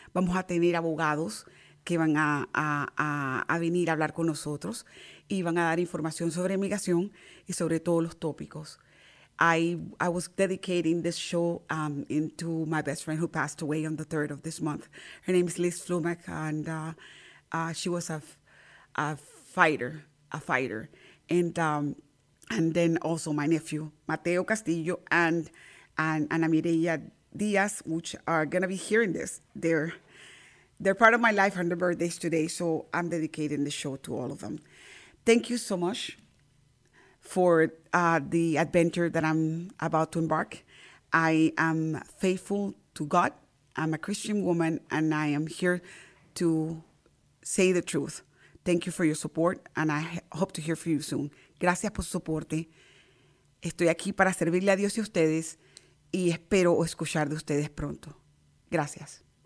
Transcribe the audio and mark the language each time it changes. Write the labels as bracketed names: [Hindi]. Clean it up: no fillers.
[Spanish] Vamos a tener abogados que van a venir a hablar con nosotros y van a dar información sobre migración y sobre todos los tópicos. [English] I was dedicating this show into my best friend who passed away on the 3rd of this month. Her name is Liz Flumack, and she was a fighter, and then also my nephew, Mateo Castillo, and Ana Mireya Diaz, which are going to be hearing this. They're part of my life and their birthdays today, so I'm dedicating the show to all of them. Thank you so much for the adventure that I'm about to embark. I am faithful to God. I'm a Christian woman, and I am here to say the truth. Thank you for your support, and I hope to hear from you soon. [Spanish] Gracias por su soporte. Estoy aquí para servirle a Dios y a ustedes, y espero escuchar de ustedes pronto. Gracias.